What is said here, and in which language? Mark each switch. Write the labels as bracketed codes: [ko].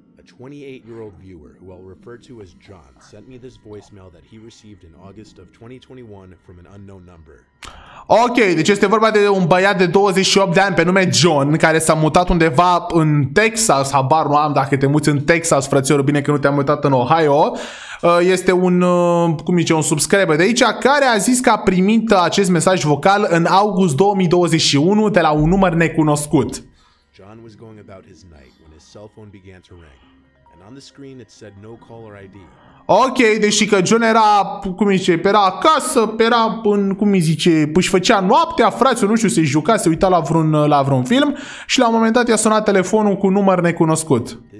[en] A 28-year-old viewer, who I'll refer to as John, sent me this voicemail that he received in August of 2021 from an unknown number. [ro] Ok, deci este vorba de un băiat de 28 de ani pe nume John, care s-a mutat undeva în Texas, habar nu am dacă te muți în Texas, frățiorul, bine că nu te-am mutat în Ohio. Este un, cum zice, un subscriber de aici, care a zis că a primit acest mesaj vocal în august 2021 de la un număr necunoscut. [en] John was going about his night when his cell phone began to ring, and on the screen it said no caller ID. [ro] Ok, deși că John era, cum zice, era acasă, era în, cum zice, își făcea noaptea, frate, nu știu, se juca, se uita la vreun, film și la un moment dat i-a sunat telefonul cu număr necunoscut.